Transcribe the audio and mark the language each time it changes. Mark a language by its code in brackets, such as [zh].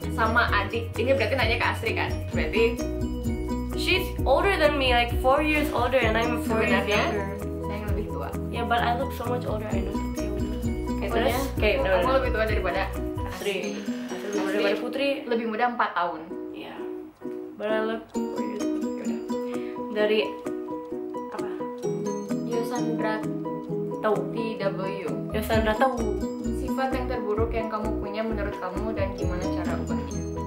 [id] Sama adik, ini berarti nanya ke Asri kan? Berarti [en] she's older than me, like 4 years older and I'm 4 years younger. [id] Saya yang lebih tua. [en] Yeah, but I look so much older, I know. Okay, [id] terus? [en] Okay, no, [id] aku lebih tua daripada Asri. Asri lebih muda daripada Putri. Lebih muda 4 tahun. [en] Yeah. But I look 4 years older. [id] Dari apa? Yosandra Tau. TW Yosandra tahu. Sifat yang terburuk yang kamu punya menurut kamu dan gimana cara ubahnya?